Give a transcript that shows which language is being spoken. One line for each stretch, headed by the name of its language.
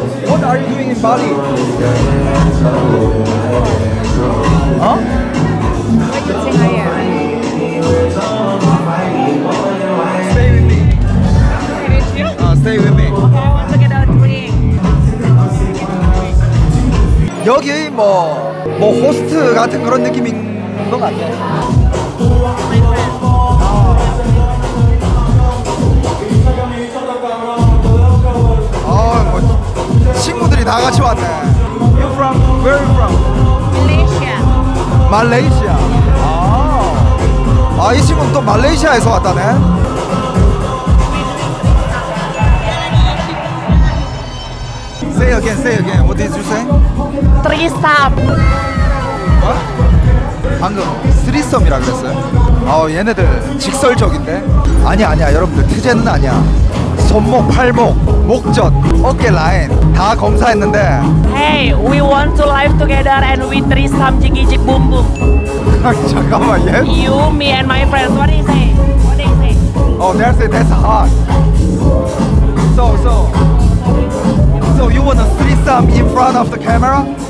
English: What are you doing in Bali? What do you think I am? Stay with me. Stay with you? Stay with me. Okay, I want to get a drink.
Korean: 여기 뭐 호스트 같은 그런 느낌인 것 같아. 뭐 친구들이 다 같이 왔네.
English: You from where are you from? Malaysia. Malaysia.
Korean: 이 친구는 또 말레이시아에서 왔다네. 세 여겐
English: What did you say?
Korean: 트리썸. 뭐? 방금 쓰리썸이라 그랬어요? 얘네들 직설적인데? 아니야 여러분들, 트제는 아니야. 손목, 팔목, 목젖, 어깨 라인 다 검사했는데.
English: Hey, we want to live together and we threesome jiggy jig boom boom.
Korean: 잠깐만, yes?
English: You, me and my friends, what do you say? Oh, that's hot. So you wanna threesome in front of the camera?